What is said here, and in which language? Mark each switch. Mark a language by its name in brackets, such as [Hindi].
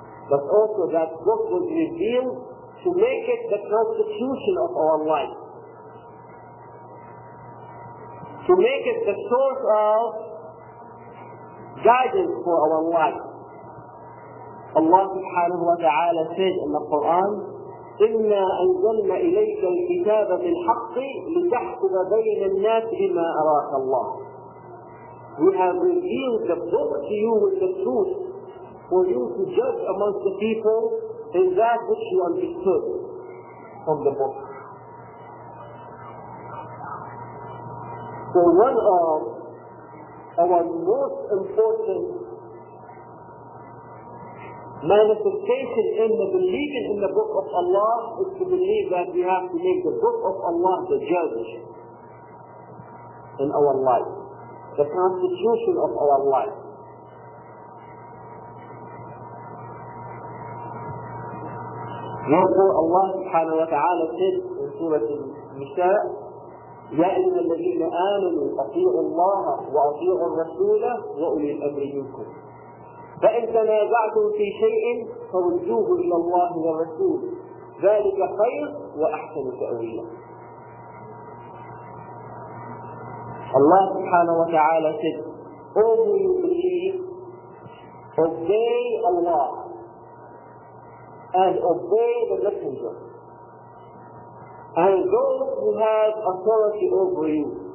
[English] But also that book was revealed to make it the constitution of our life. To make it the source of guidance for our life. Allah subhanahu wa ta'ala said in the Quran, [Arabic] إِنَّا أَنْزَلْنَا إِلَيْكَ الْكِتَابَ بِالْحَقِّ لِتَحْكُمَ بَيْنَ النَّاسِ بِمَا أَرَاكَ اللَّهِ. [English] We have revealed the book to you with the truth for you to judge amongst the people in that which you understood from the book. So one of our most important manifestations in the believing in the Book of Allah is to believe that we have to make the Book of Allah the judge in our life, the constitution of our life. Therefore, Allah subhanahu wa ta'ala said in Surah Al-Nisa, [Arabic] يَا أَيُّهَا الَّذِينَ آمَنُوا أَطِيعُوا اللَّهَ وَأَطِيعُوا الرَّسُولَ وَأُولِي الْأَمْرِ مِنْكُمْ فَإِنْ تَنَازَعْتُمْ فِي شَيْءٍ فَرُدُّوهُ إِلَى اللَّهِ وَالرَّسُولِ ذَلِكَ خَيْرٌ وَأَحْسَنُ تَأْوِيلًا. [English] Allah subhanahu wa ta'ala said, O who you believe, obey Allah and obey the Messenger and those who have authority over you.